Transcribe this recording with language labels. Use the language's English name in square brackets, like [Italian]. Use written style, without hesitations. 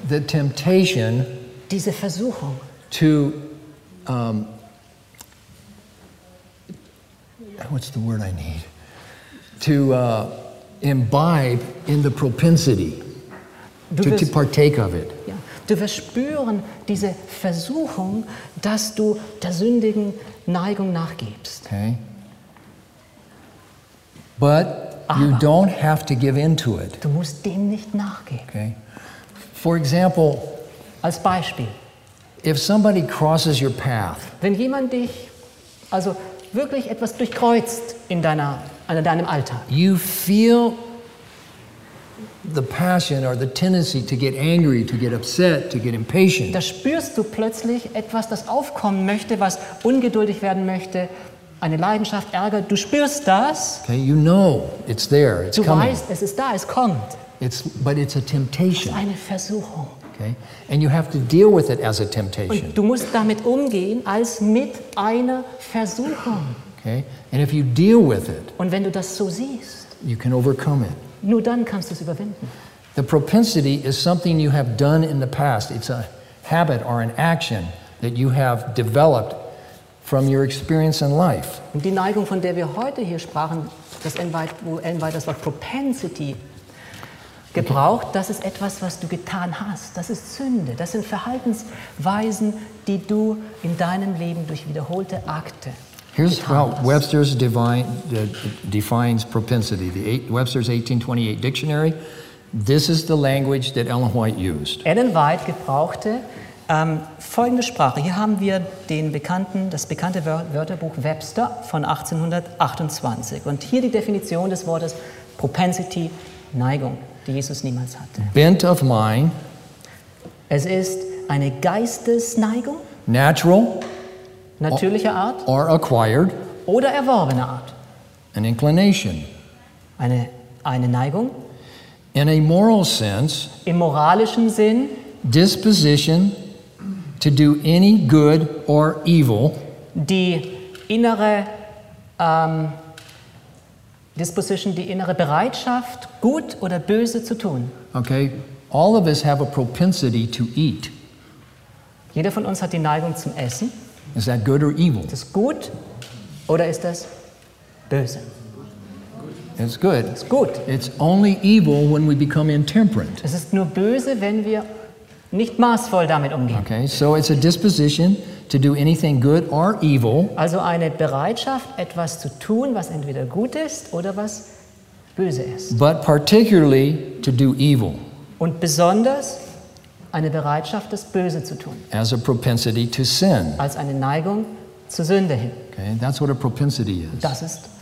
[English] the temptation [German] diese Versuchung. [English] To, what's the word I need? To imbibe in the propensity, to partake of it. Yeah. [German] Du wirst spüren diese Versuchung, dass du der sündigen Neigung nachgibst. [English] Okay. But [German] Aber [English] you don't have to give in to it. [German] Du musst dem nicht nachgeben. [English] Okay. For example, [German] als Beispiel, [English] if somebody crosses your path, [German] wenn jemand dich also wirklich etwas durchkreuzt in deinem Alltag, [English] you feel the passion or the tendency to get angry, to get upset, to get impatient. [German] Da spürst du plötzlich etwas, das aufkommen möchte, was ungeduldig werden möchte, eine Leidenschaft, Ärger. Du spürst das. [English] Okay, you know it's there. It's [German] du [English] coming. [German] Weißt, es ist da, es kommt. [English] It's, but it's a temptation. [German] Es ist eine Versuchung. [English] Okay, and you have to deal with it as a temptation. [German] Und du musst damit umgehen als mit einer Versuchung. [English] Okay, and if you deal with it, [German] und wenn du das so siehst, [English] you can overcome it. [German] Nur dann kannst du es überwinden. [English] The propensity is something you have done in the past. It's a habit or an action that you have developed from your experience in life. [German] Und die Neigung, von der wir heute hier sprachen, das Ellen White das Wort propensity gebraucht, okay. das ist etwas, was du getan hast. Das ist Sünde. Das sind Verhaltensweisen, die du in deinem Leben durch wiederholte Akte [English] Here's [German] getan [English] how [German] hast. [English] Webster's defines propensity. The Webster's 1828 dictionary. This is the language that Ellen White used. [German] Ellen White gebrauchte folgende Sprache. Hier haben wir das bekannte Wörterbuch Webster von 1828. Und hier die Definition des Wortes propensity, Neigung. die Jesus niemals hatte. [English] Bent of mind. [German] Es ist eine Geistesneigung. [English] Natural. [German] Natürlicher Art. [English] Or acquired. [German] Oder erworbener Art. [English] An inclination. [German] Eine Neigung. [English] In a moral sense. [German] Im moralischen Sinn. [English] Disposition to do any good or evil. [German] Die innere Disposition, die innere Bereitschaft, gut oder böse zu tun. [English] Okay, all of us have a propensity to eat. [German] Jeder von uns hat die Neigung zum Essen. [English] Is that good or evil? [German] Ist das gut oder ist das böse? [English] It's good. It's good. It's only evil when we become intemperate. [German] Es ist nur böse, wenn wir nicht maßvoll damit umgehen. [English] Okay, so it's a disposition to do anything good or evil. [German] Also eine Bereitschaft, etwas zu tun, was entweder gut ist oder was böse ist. [English] But particularly to do evil. [German] Und besonders eine Bereitschaft, das Böse zu tun. [English] As a propensity to sin. [German] Als eine Neigung zur Sünde hin. [English] Okay, that's what a propensity is.